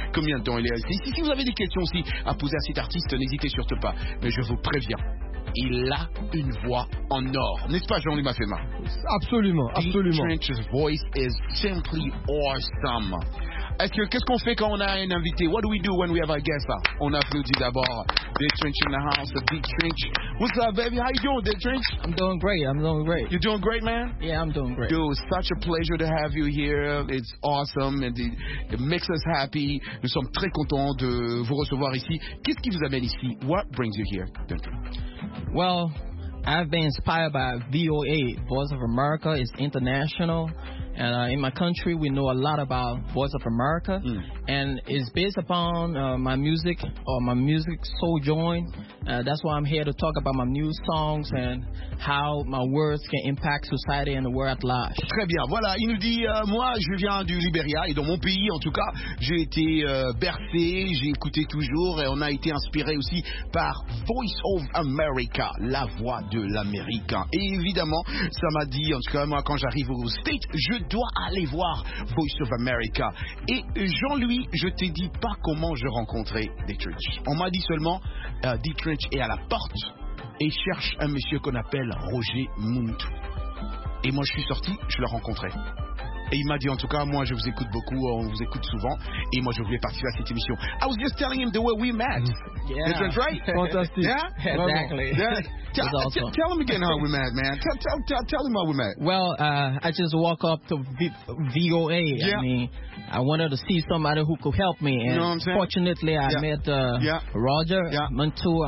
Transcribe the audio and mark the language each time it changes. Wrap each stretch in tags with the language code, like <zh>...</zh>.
<fr>Combien de temps il est resté ici? Si vous avez des questions aussi à poser à cet artiste, n'hésitez surtout pas. Mais je vous préviens, il a une voix en or. N'est-ce pas, Jean-Louis Mafema? Absolument, absolument.</fr> <en>Dit Trent's voice is simply awesome.</en> <fr>Est-ce que, qu'est-ce qu'on fait quand on a un invité?</fr> <en>What do we do when we have a guest?</en> <fr>On applaudit d'abord.</fr> <en>Dit Trent in the house, Dit Trent. What's up, baby? How you doing, Dit Trent? I'm doing great, I'm doing great. You're doing great, man? Yeah, I'm doing great. Dude, such a pleasure to have you here. It's awesome. It makes us happy.</en> <fr>Nous sommes très contents de vous recevoir ici. Qu'est-ce qui vous amène ici?</fr> <en>What brings you here,</en> <fr>Dit Trent?</fr> <en>Well, I've been inspired by VOA, Voice of America. It's international. And in my country, we know a lot about Voice of America. Mm. And it's based upon my music or my music soul joint. That's why I'm here to talk about my new songs and how my words can impact society and the world at large.</en> <fr>Très bien. Voilà, il nous dit, moi, je viens du Liberia. Et dans mon pays, en tout cas, j'ai été bercé, j'ai écouté toujours. Et on a été inspiré aussi par Voice of America, la voix de l'Américain. Et évidemment, ça m'a dit, en tout cas, moi, quand j'arrive aux States, je dois aller voir Voice of America. Et Jean-Louis, je t'ai dit pas comment je rencontrais Dit Trent. On m'a dit seulement, Dit Trent est à la porte et cherche un monsieur qu'on appelle Roger Muntu. Et moi, je suis sorti, je le rencontrais. Et il m'a dit, en tout cas, moi, je vous écoute beaucoup, on vous écoute souvent, et moi, je voulais participer à cette émission.</fr> <en>I was just telling him the way we met. Yeah. Isn't that right?</en> <fr>Fantastique.</fr> <en>Yeah? Exactly. Yeah. Tell him again how we met, man. Tell him how we met. Well, I just woke up to VOA. Yeah. I mean, I wanted to see somebody who could help me. And you know what I'm saying? Fortunately, I met Roger Muntu.</en>